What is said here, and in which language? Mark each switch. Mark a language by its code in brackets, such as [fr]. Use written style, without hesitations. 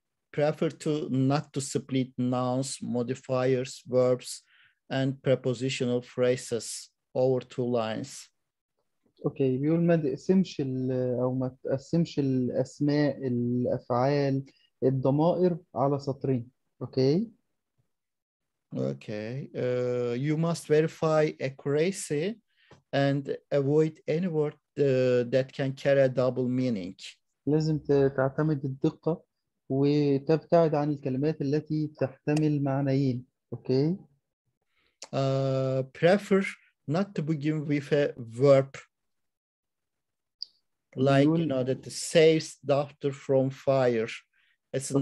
[en] Prefer to not to split nouns, modifiers, verbs, and prepositional phrases over two lines. [ar] اوكي بيقول ما تقسمش او ما تقسمش الاسماء الافعال الضمائر على سطرين، اوكي؟ [en] Okay you must verify accuracy and avoid any word that can carry a double meaning. [ar] لازم تعتمد الدقة وتبتعد عن الكلمات التي تحتمل معنيين، اوكي؟ [en] prefer not to begin with a verb. Like, you know, that saves doctor from fire. It's okay.